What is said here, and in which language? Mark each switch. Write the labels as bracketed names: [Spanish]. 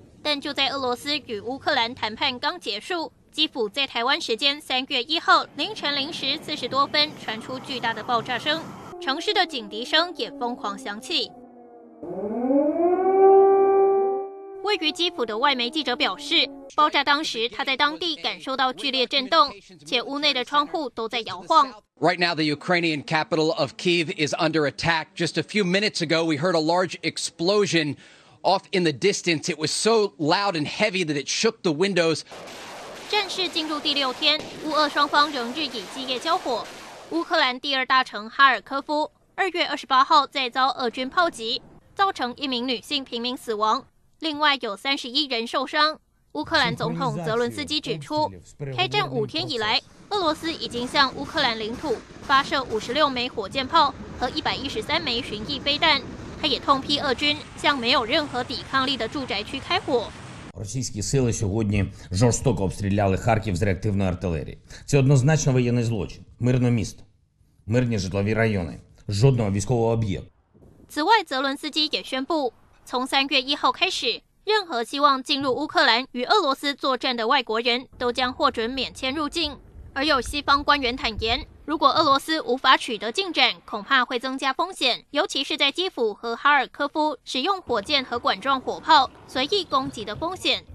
[Chinese] 但就在俄罗斯与乌克兰谈判刚结束，基辅在台湾时间3月1号凌晨0时40多分传出巨大的爆炸声，城市的警笛声也疯狂响起。位于基辅的外媒记者表示，爆炸当时他在当地感受到剧烈震动，且屋内的窗户都在摇晃。 [English] Right now, the Ukrainian capital of Kyiv is under attack. Just a few minutes ago, we heard a large explosion off in the distance. It was so loud and heavy that it shook the windows. [Chinese] 战事进入第6天，乌俄双方仍日以继夜交火。乌克兰第二大城哈尔科夫， 2月28号再遭俄军炮击，造成一名女性平民死亡，另外有31人受伤。乌克兰总统泽伦斯基指出，开战5天以来，俄罗斯已经向乌克兰领土发射56枚火箭炮和113枚巡弋飞弹。他也痛批俄军向没有任何抵抗力的住宅区开火。 [Ukrainian] Російські сили сьогодні жорстоко обстріляли Харків з реактивної артилерії. Це однозначно воєнний злочин. Мирне місто, мирні житлові райони, жодного військового об'єкту. [Chinese] 此外，泽伦斯基也宣布，从3月1号开始，任何希望进入乌克兰与俄罗斯作战的外国人都将获准免签入境。而有西方官员坦言，如果俄罗斯无法取得进展，恐怕会增加风险，尤其是在基辅和哈尔科夫使用火箭和管状火炮随意攻击的风险。